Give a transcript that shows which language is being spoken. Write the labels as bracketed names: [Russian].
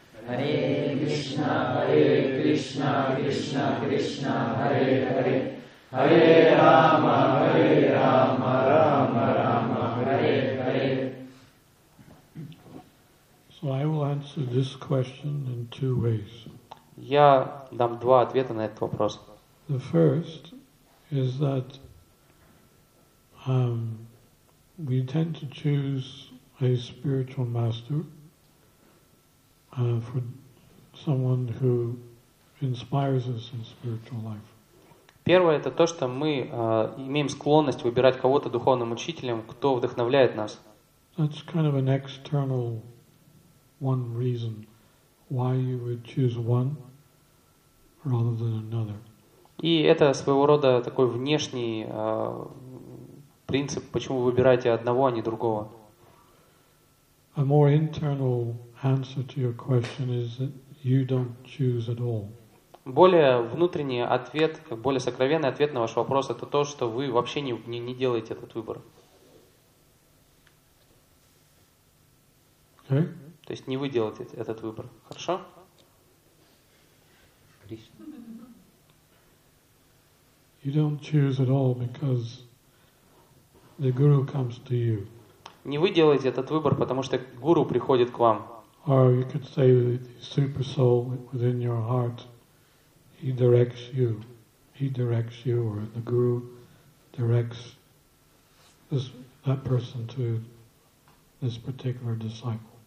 [Sanskrit] Hare Krishna Hare Krishna Krishna Krishna Hare Hare Hare Rama Hare Rama Rama Rama Hare Hare. [English] So I will answer this question in two ways. [Russian] Я дам два ответа на этот вопрос. [English] The first is that we tend to choose a spiritual master for someone who inspires us in spiritual life. [Russian] Первое — это то, что мы имеем склонность выбирать кого-то духовным учителем, кто вдохновляет нас. [English] That's kind of an external one reason why you would choose one rather than another. [Russian] И это своего рода такой внешний принцип, почему вы выбираете одного, а не другого. [English] A more internal answer to your question is that you don't choose at all. [Russian] Более внутренний ответ, более сокровенный ответ на ваш вопрос — это то, что вы вообще не делаете этот выбор. [English] Okay. [Russian] То есть не вы делаете этот выбор. Хорошо? [English] You don't choose at all because the guru comes to you. [Russian] Не вы делаете этот выбор, потому что гуру приходит к вам. [English] Or you could say the super soul within your heart, he directs you. He directs you, or the guru directs that person to this particular disciple.